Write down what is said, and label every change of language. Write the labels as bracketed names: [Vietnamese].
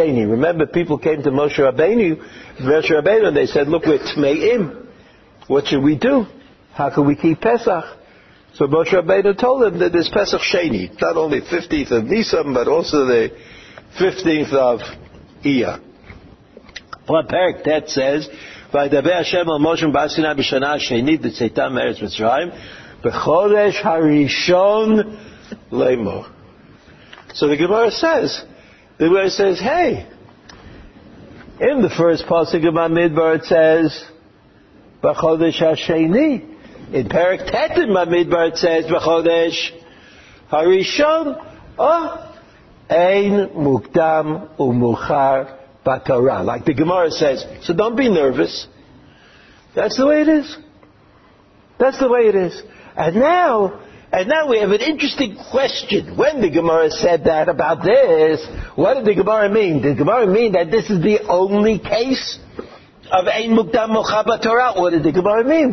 [English] Remember, people came to Moshe Rabbeinu, and they said, look, we're Tmeim. What should we do? How can we keep Pesach? So Moshe Rabbeinu told them that there's Pesach Sheni, not only 15th of Nisan, but also the 15th of Iyar. But Perek Tet says, [Hebrew] וידבר השם על משה בר סיני בשנה השנית לצאתם מארץ מצרים בחודש הראשון לאמור. [English] So the Gemara says, hey, in the first pasuk of Bamidbar it says, [Hebrew] בחודש השני. [English] In Perek Tet in Bamidbar it says, [Hebrew] בחודש הראשון. Oh, אין מוקדם ומאוחר בתורה. [English] Like the Gemara says, so don't be nervous. That's the way it is. That's the way it is. And now we have an interesting question. When the Gemara said that about this, what did the Gemara mean? Did the Gemara mean that this is the only case of Ein Mukdam U'Mukhar B'Torah? What did the Gemara mean?